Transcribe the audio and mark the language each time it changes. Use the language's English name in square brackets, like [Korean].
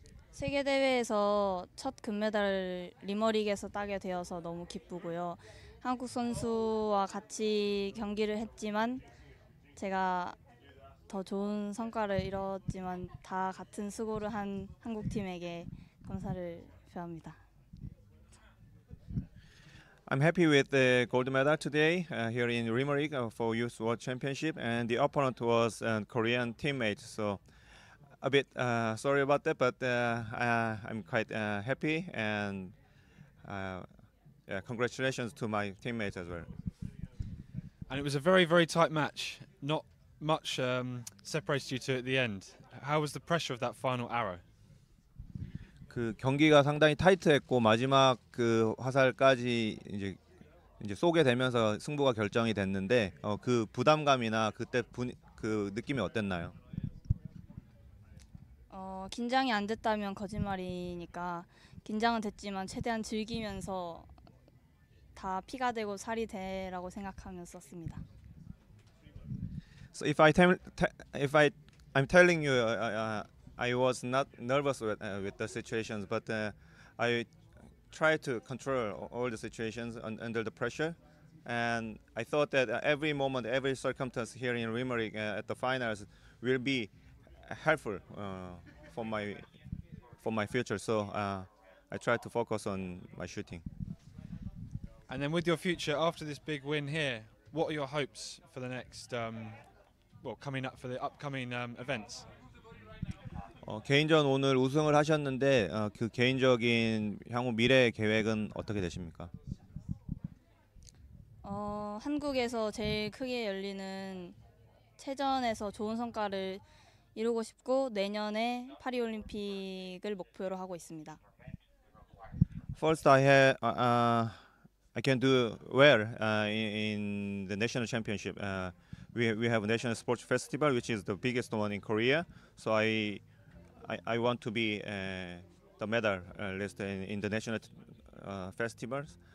[Korean] 세계 대회에서 첫 금메달을 리머릭에서 따게 되어서 너무 기쁘고요. 한국 선수와 같이 경기를 했지만 제가 더 좋은 성과를 이뤘지만 다 같은 수고를 한 한국 팀에게 감사를 표합니다. [English] I'm happy with the gold medal today here in Limerick for Youth World Championship, and the opponent was a Korean teammate. So a bit sorry about that, but I'm quite happy and congratulations to my teammates as well. And it was a very, very tight match. Not much separated you two at the end. How was the pressure of that final arrow? [Korean] 그 경기가 상당히 타이트했고 마지막 그 화살까지 이제 쏘게 되면서 승부가 결정이 됐는데 그 부담감이나 그때 그 느낌이 어땠나요? 긴장이 안 됐다면 거짓말이니까 긴장은 됐지만 최대한 즐기면서 다 피가 되고 살이 되라고 생각하며 썼습니다. [English] So if I'm telling you I was not nervous with the situations, but I tried to control all the situations under the pressure. And I thought that every moment, every circumstance here in Limerick at the finals will be helpful for my future. So I tried to focus on my shooting. And then with your future, after this big win here, what are your hopes for the next, coming up for the upcoming events? [Korean] 개인전 오늘 우승을 하셨는데 그 개인적인 향후 미래 계획은 어떻게 되십니까? 한국에서 제일 크게 열리는 체전에서 좋은 성과를 이루고 싶고 내년에 파리 올림픽을 목표로 하고 있습니다. [English] First, I can do well in the national championship. We have a national sports festival, which is the biggest one in Korea. So I want to be the medalist in the national festivals.